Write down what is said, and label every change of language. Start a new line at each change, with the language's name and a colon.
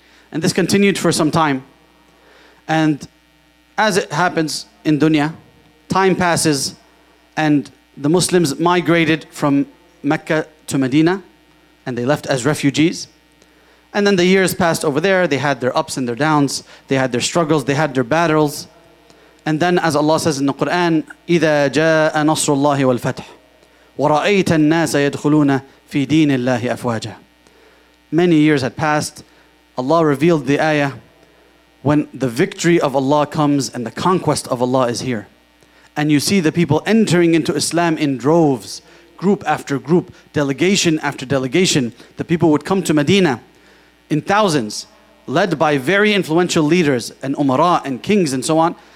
English: And this continued for some time. And as it happens in dunya, time passes and the Muslims migrated from Mecca to Medina and they left as refugees. And then the years passed over there. They had their ups and their downs. They had their struggles. They had their battles. And then as Allah says in the Quran,
Arabic: إِذَا جَاءَ نَصْرُ اللَّهِ وَالْفَتْحِ وَرَأَيْتَ النَّاسَ يَدْخُلُونَ فِي دِينِ اللَّهِ أَفْوَاجًا.
English: Many years had passed. Allah revealed the ayah, when the victory of Allah comes and the conquest of Allah is here. And you see the people entering into Islam in droves, group after group, delegation after delegation. The people would come to Medina in thousands, led by very influential leaders and umara and kings and so on.